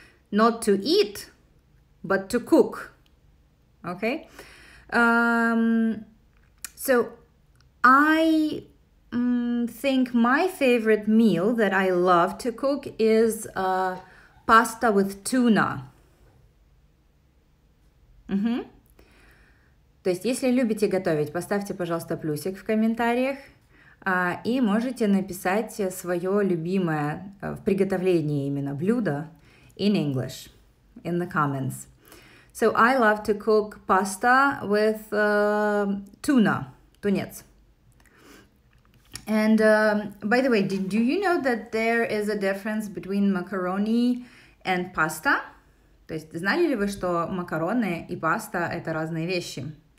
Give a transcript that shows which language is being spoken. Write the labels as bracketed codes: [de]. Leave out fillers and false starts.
[en] Not to eat, but to cook. Okay? So I think my favorite meal that I love to cook is pasta with tuna. Mm-hmm. [ru] То есть, если любите готовить, поставьте, пожалуйста, плюсик в комментариях. И можете написать свое любимое в приготовлении именно блюдо [en] in English, in the comments. So I love to cook pasta with tuna, тунец. And by the way, do you know that there is a difference between macaroni and pasta? [ru] То есть, знали ли вы, что макароны и паста – это разные вещи?